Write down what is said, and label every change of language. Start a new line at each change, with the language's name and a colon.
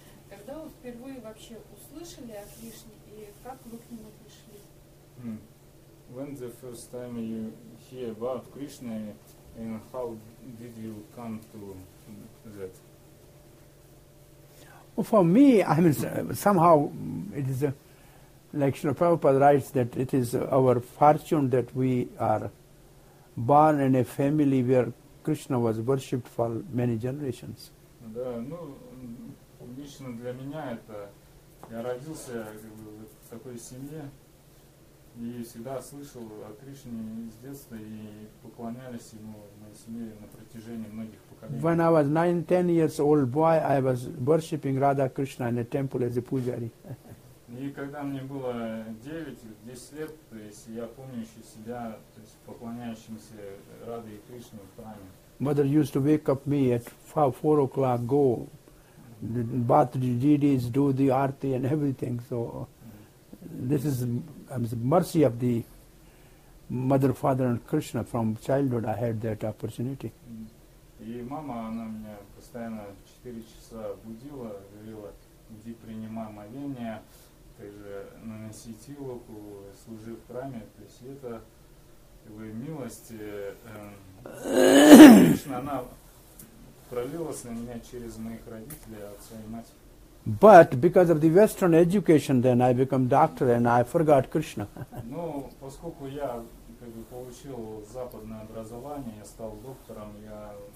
Russian: Когда вы впервые вообще услышали о Кришне и как вы к нему пришли?
English: When the first time you hear about Krishna and how did you come to that? For me, I mean, somehow it is like Srila Prabhupada writes that it is our fortune that we are born in a family where Krishna was worshipped for many generations.
Russian: Да, ну, лично для меня это, я родился в такой семье и всегда слышал о Кришне с детства и поклонялись ему в моей семье на протяжении многих.
English: When I was 9-10 years old boy, I was worshipping Radha Krishna in a temple as a pujari.
Russian: И когда мне было 9-10 лет, то есть я помню еще себя, то есть поклоняющимся Раде и Кришне в храме.
English: Mother used to wake up me at 4 o'clock, go, bath the deities, do the arti and everything. So this is the mercy of the mother, father and Krishna. From childhood I had that opportunity.
Russian: И мама, она меня постоянно 4 часа будила, говорила, иди принимай моление, ты же наноси тилоку, служи в храме. То есть это как бы милость, конечно, она пролилась на меня через моих родителей, отца и мать.
English: But because of the Western education, then I become doctor and I forgot Krishna.
Russian: Ну, поскольку я как бы получил западное образование, я стал доктором, я...